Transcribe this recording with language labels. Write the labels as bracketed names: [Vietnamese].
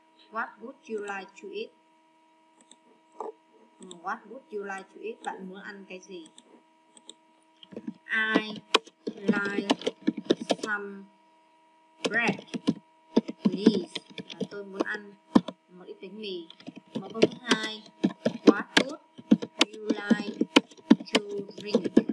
[English] What would you like to eat? What would you like to eat, [Vietnamese] bạn muốn ăn cái gì? [English] I like some bread, please. [Vietnamese] Tôi muốn ăn một ít bánh mì. Mẫu câu thứ hai, [English] what would you like to drink?